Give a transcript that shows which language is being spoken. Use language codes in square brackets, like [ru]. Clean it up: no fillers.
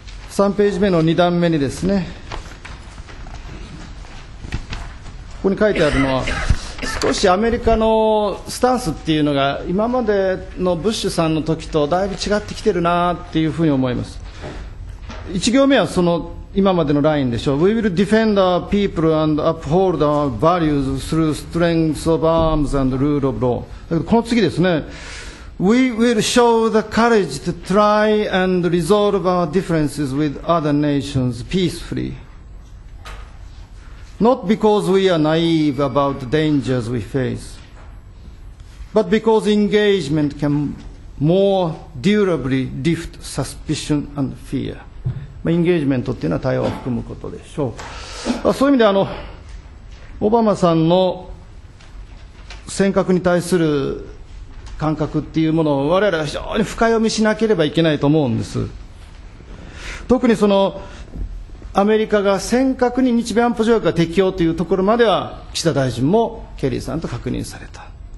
[ja] 3ページ目の2段目にですね、ここに書いてあるのは少しアメリカのスタンスっていうのが今までのブッシュさんの時とだいぶ違ってきてるなっていうふうに思います。 1行目はその今までのラインでしょう。 [en] We will defend our people and uphold our values through strength of arms and rule of law。 [ja] だけどこの次ですね、 [en] We will show the courage to try and resolve our differences with other nations peacefully。 Not because we are naive about the dangers we face, but because engagement can more durably lift suspicion and fear。 [ja] エンゲージメントというのは対話を含むことでしょう。そういう意味でオバマさんの尖閣に対する感覚っていうものを我々は非常に深読みしなければいけないと思うんです。特にそのアメリカが尖閣に日米安保条約が適用というところまでは岸田大臣もケリーさんと確認された。